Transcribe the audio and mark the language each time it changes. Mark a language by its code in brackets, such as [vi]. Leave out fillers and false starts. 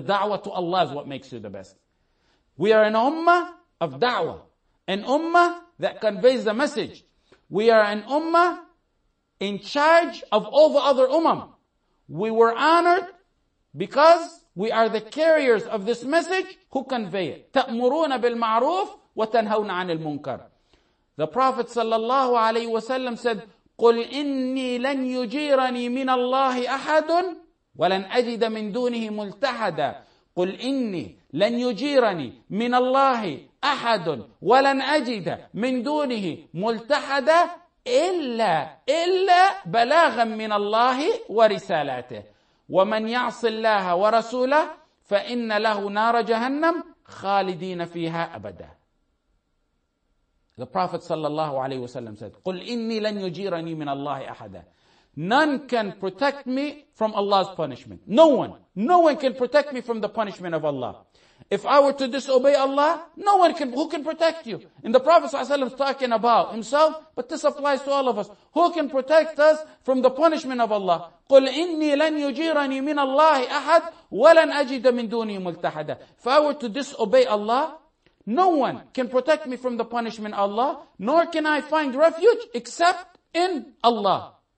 [en] The da'wah to Allah is what makes you the best. We are an ummah of da'wah. An ummah that conveys the message. We are an ummah in charge of all the other umam. We were honored because we are the carriers of this message who convey it. [ar] تَأْمُرُونَ بِالْمَعْرُوفِ وَتَنْهَوْنَا عَنِ الْمُنْكَرِ [en] The Prophet sallallahu alayhi wa sallam said, [ar] قُلْ إِنِّي لَنْ يُجِيرَنِي مِنَ اللَّهِ أَحَدٌ وَلَنْ أَجِدَ مِنْ دُونِهِ مُلْتَحَدًا قُلْ إِنِّي لَنْ يُجِيرَنِي مِنَ اللَّهِ أَحَدٌ وَلَنْ أَجِدَ مِنْ دُونِهِ مُلْتَحَدًا إِلَّا بَلَاغًا مِنَ اللَّهِ وَرِسَالَاتِهِ وَمَنْ يَعْصِ اللَّهَ وَرَسُولَهُ فَإِنَّ لَهُ نَارَ جَهَنَّمْ خَالِدِينَ فِيهَا أَبَدًا [en] The Prophet sallallahu alayhi wasallam said, [ar] قُلْ إِنِّي لَنْ يُجِيرَنِي مِنَ اللَّهِ أَحَدًا [en] None can protect me from Allah's punishment. No one. No one can protect me from the punishment of Allah. If I were to disobey Allah, no one can. Who can protect you? And the Prophet sallallahu alayhi wa sallam is talking about himself, but this applies to all of us. Who can protect us from the punishment of Allah? [ar] قُلْ إِنِّي لَنْ يُجِيرَنِي مِنَ اللَّهِ أَحَدٌ وَلَنْ أَجِدَ مِنْ دُونِهِ مُلْتَحَدًا [en] If I were to disobey Allah, no one can protect me from the punishment of Allah, nor can I find refuge except in Allah.